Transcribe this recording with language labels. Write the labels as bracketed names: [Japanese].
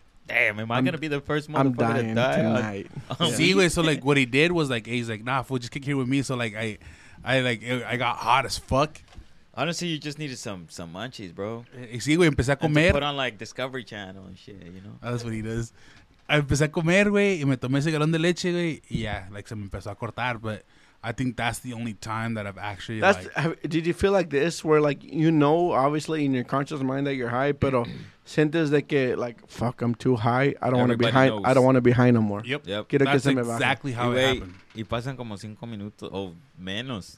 [English] Damn, am I going to be the first motherfucker to die tonight? See, so like what he did was like, he's like, nah, fool, just kick here with me. So like I got hot as fuck. Honestly, you just needed some munchies, bro. [Spanish] Sí, güey, empecé a comer. [English] Put on like Discovery Channel and shit, you know? That's what he does. [Spanish] I empecé a comer, güey, y me tomé ese galón de leche, güey, y ya, like se me empezó a cortar. [English] But I think that's the only time that I've actually, that's, like. Did you feel like this where like, you know, obviously in your conscious mind that you're high, [Spanish] pero. Sientes de que, [English] like, fuck, I'm too high. I don't want to be high no more. Yep. That's que se exactly me how it wait, happened. [Spanish] Y pasan como cinco minutos o menos.